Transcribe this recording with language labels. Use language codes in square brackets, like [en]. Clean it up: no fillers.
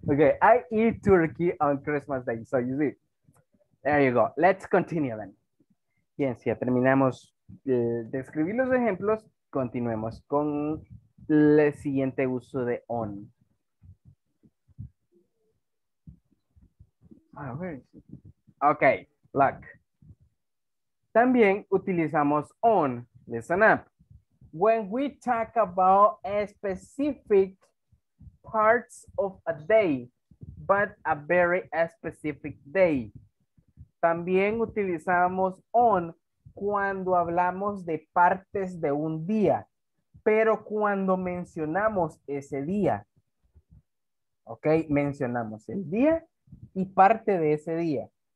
[en] Ok, I eat turkey on Christmas Day, so you see. There you go. Let's continue then. [es] Bien, si ya terminamos de escribir los ejemplos, continuemos con el siguiente uso de on. [en] Ah, where is it? Ok, look. [es] También utilizamos on. [en] Listen up. When we talk about a specific parts of a day, but a very specific day. [es] También utilizamos on cuando hablamos de partes de un día, pero cuando mencionamos ese día. Ok, mencionamos el día y parte de ese día.